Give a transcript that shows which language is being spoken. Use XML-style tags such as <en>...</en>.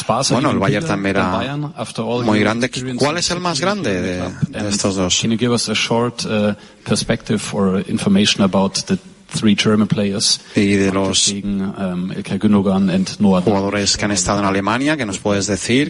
<es>Bueno, el Bayern también era muy grande. ¿Cuál es el más grande de estos dos?</es> <en>Can you give us a short perspective or information about the three German players?</en> <es>Y de los jugadores que han estado en Alemania, ¿qué nos puedes decir?</es>